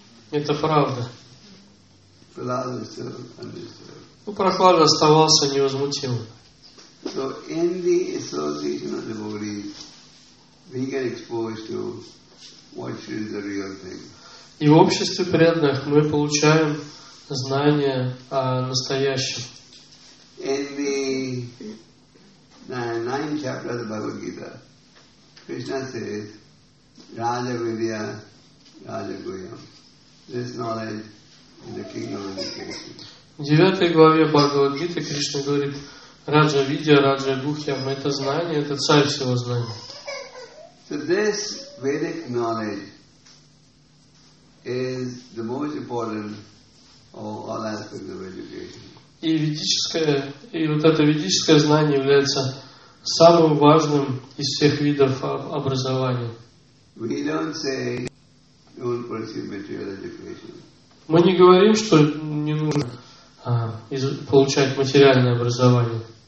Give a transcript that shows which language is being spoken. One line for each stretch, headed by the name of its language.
Russian: Это правда. Но Прохлада оставался невозмутимым.
English: So in the association of devotees, we get exposed to what is the real thing.
Russian: И в обществе преданных мы получаем знания о настоящем.
English: In the ninth chapter of the Bhagavad Gita, Krishna says,
Sanskrit: "Raja Vidya, Raja Guyam."
English: This knowledge is the kingdom of education.
Russian: В 9 главе Бхагавад Гиты Кришна говорит:
Sanskrit: Раджа Видья, Раджа Гухьям,
Russian: это знание, это царь всего знания.
English: So this Vedic knowledge is the most important of all aspects of education.
Russian: И ведическое, и вот это ведическое знание является самым важным из всех видов образования.
English: We don't say don't pursue material education.
Russian: Мы не говорим, что не нужно получать материальное образование.